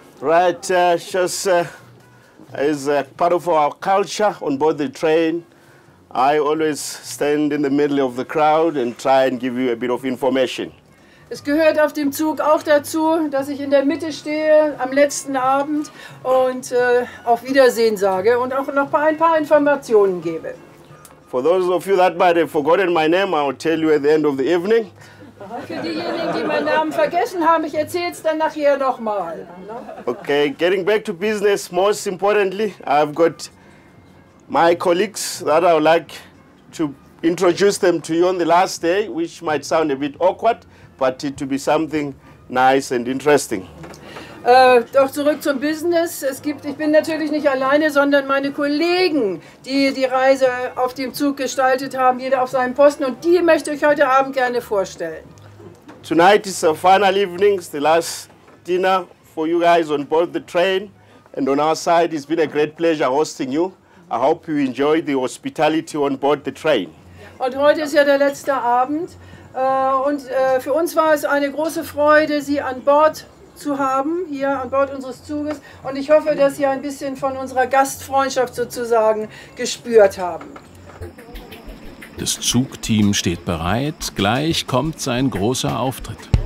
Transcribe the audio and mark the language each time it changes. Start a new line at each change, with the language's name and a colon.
English: Right, just as a part of our culture on board the train. I always stand in the middle of the crowd and try and give you a bit of information.
German: Es gehört auf dem Zug auch dazu, dass ich in der Mitte stehe am letzten Abend und auf Wiedersehen sage und auch noch ein paar Informationen gebe.
English: For those of you that might have forgotten my name, I'll tell you at the end of the evening.
German: Für diejenigen, die meinen Namen vergessen haben, ich erzähle es dann nachher nochmal.
English: Okay, getting back to business, most importantly, I've got my colleagues that I would like to introduce them to you on the last day, which might sound a bit awkward, but it will be something nice and interesting.
German: Doch zurück zum Business. Ich bin natürlich nicht alleine, sondern meine Kollegen, die Reise auf dem Zug gestaltet haben, jeder auf seinem Posten, und die möchte ich heute Abend gerne vorstellen.
English: Tonight is the final evening, the last dinner for you guys on board the train, and on our side it's been a great pleasure hosting you. I hope you enjoy the hospitality on board the train.
German: Und heute ist ja der letzte Abend. Und für uns war es eine große Freude, Sie an Bord zu haben, hier an Bord unseres Zuges. Und ich hoffe, dass Sie ein bisschen von unserer Gastfreundschaft sozusagen gespürt haben. Das Zugteam steht bereit. Gleich kommt sein großer Auftritt.